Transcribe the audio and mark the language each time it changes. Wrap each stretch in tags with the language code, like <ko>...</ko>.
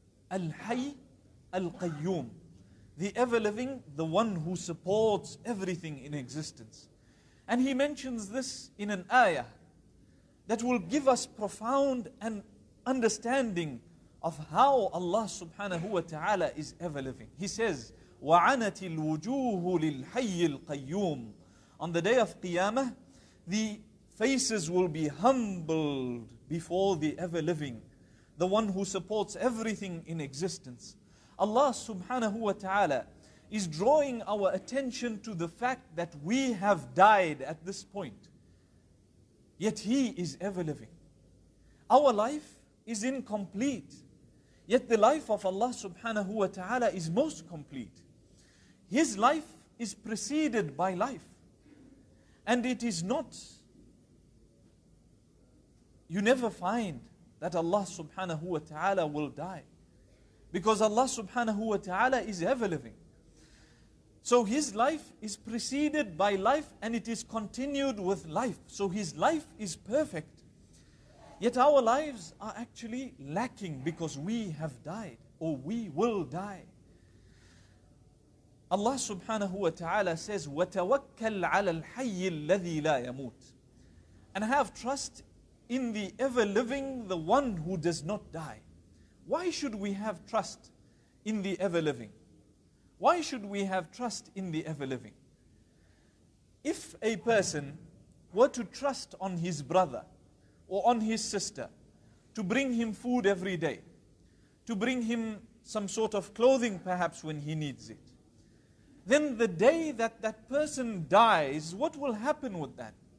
<en>Al-Hayy, Al-Qayyum. The ever-living, the one who supports everything in existence. And he mentions this in an ayah that will give us profound and understanding of how Allah subhanahu wa ta'ala is ever-living. He says,</en> <ar>وَعَنَتِ الْوُجُوهُ لِلْحَيِّ الْقَيُّومِ.</ar> <en>On the day of Qiyamah, the faces will be humbled before the ever-living, the one who supports everything in existence. Allah subhanahu wa ta'ala is drawing our attention to the fact that we have died at this point. Yet He is ever-living. Our life is incomplete. Yet the life of Allah subhanahu wa ta'ala is most complete. His life is preceded by life. And it is not... You never find that Allah subhanahu wa ta'ala will die. Because Allah subhanahu wa ta'ala is ever-living. So his life is preceded by life and it is continued with life. So his life is perfect. Yet our lives are actually lacking because we have died or we will die. Allah subhanahu wa ta'ala says,</en> <ar>وَتَوَكَّلْ عَلَى الْحَيِّ الَّذِي لَا يَمُوتِ.</ar> <en>And have trust in the ever-living, the one who does not die. Why should we have trust in the ever-living? Why should we have trust in the ever-living? If a person were to trust on his brother or on his sister to bring him food every day, to bring him some sort of clothing perhaps when he needs it, then the day that that person dies, what will happen with that?</en>